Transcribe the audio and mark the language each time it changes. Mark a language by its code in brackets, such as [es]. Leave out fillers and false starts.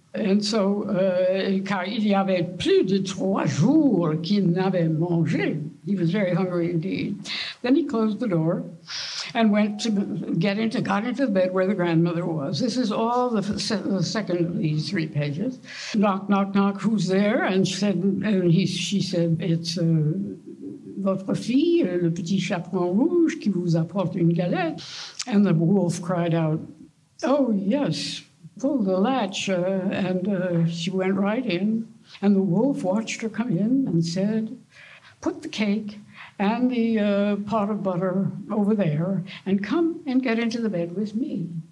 [en] And so, [fr] car il y avait plus de 3 jours qu'il n'avait mangé. [en] He was very hungry indeed. Then he closed the door and went to got into the bed where the grandmother was. This is all the second of these 3 pages. Knock, knock, knock, who's there? And she said, it's [fr] votre fille, le petit chaperon rouge, qui vous apporte une galette. [en] And the wolf cried out, oh, yes. Pulled the latch, she went right in. And the wolf watched her come in and said, put the cake and the pot of butter over there and come and get into the bed with me.